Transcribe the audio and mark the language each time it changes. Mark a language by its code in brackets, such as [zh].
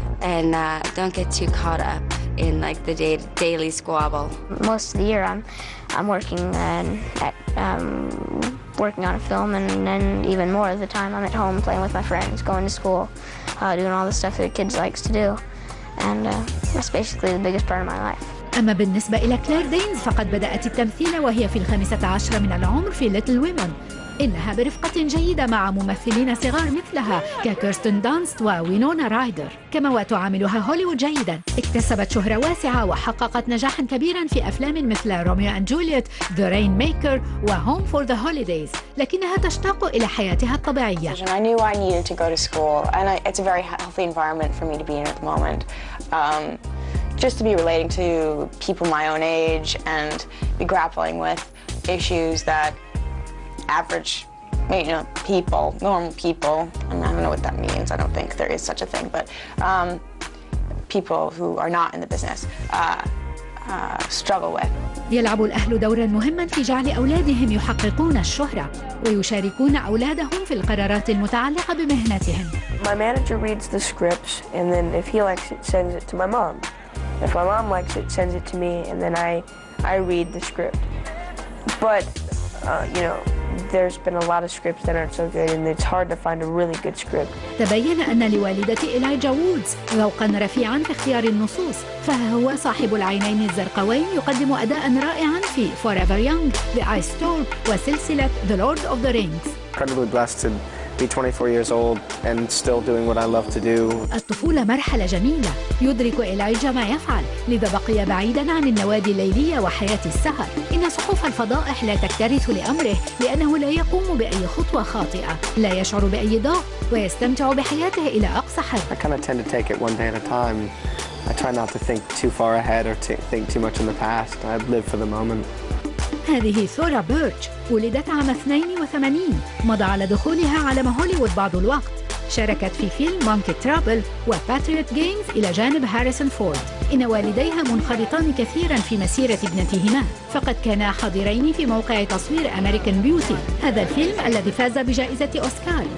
[en] And don't get too caught up in like the daily squabble. Most of the year, I'm working and working on a film, and then even more of the time, I'm at home playing with my friends, going to school, doing all the stuff that kids likes to do. And that's basically the biggest part of my life. [ar] أما بالنسبة إلى كلير دينز فقد بدأت التمثيل وهي في 15 من العمر في ليتل ويمن. إنها برفقة جيدة مع ممثلين صغار مثلها ككيرستن دانست وينونا رايدر، كما وتعاملها هوليوود جيدا. اكتسبت شهرة واسعة وحققت نجاحا كبيرا في أفلام مثل روميو أند جولييت، ذا رين ميكر، وهوم فور ذا هوليديز، لكنها تشتاق إلى حياتها الطبيعية. [en] I knew I needed to go to school and it's a very healthy environment for me to be in at the moment. Just to be relating to people my own age and be grappling with issues that average, you know, people, normal people, I mean, I don't know what that means, I don't think there is such a thing, but people who are not in the business struggle with. [ar] يلعب الأهل دوراً مهماً في جعل أولادهم يحققون الشهرة ويشاركون أولادهم في القرارات المتعلقة بمهنتهم. [en] My manager reads the scripts and then if he likes it, sends it to my mom. If my mom likes it, sends it to me, and then I read the script. But, you know, there's been a lot of scripts that aren't so good, and it's hard to find a really good script. [ar] تبين أن لوالدة إلايجا وودز ذوقاً رفيعاً في اختيار النصوص، فهو صاحب العينين الزرقاوين يقدم أداءً رائعاً في Forever Young, The Ice Storm, وسلسلة The Lord of the Rings. [en] Incredibly blessed. Be 24 years old and still doing what I love to do. [ar] الطفولة مرحلة جميلة. يدرك إلايجا ما يفعل، لذا بقي بعيداً عن النوادي الليلية وحياة السهر. إن صحف الفضائح لا تكترث لأمره لأنه لا يقوم بأي خطوة خاطئة. لا يشعر بأي ضغط ويستمتع بحياته إلى أقصى حد. [en] I kind of tend to take it one day at a time. I try not to think too far ahead or to think too much in the past. I live for the moment. [ar] هذه ثورا بيرتش، ولدت عام 82، مضى على دخولها عالم هوليوود بعض الوقت. شاركت في فيلم مونكي ترابل وباتريوت جيمز إلى جانب هاريسون فورد. إن والديها منخرطان كثيراً في مسيرة ابنتهما، فقد كانا حاضرين في موقع تصوير أمريكان بيوتي، هذا الفيلم الذي فاز بجائزة أوسكار.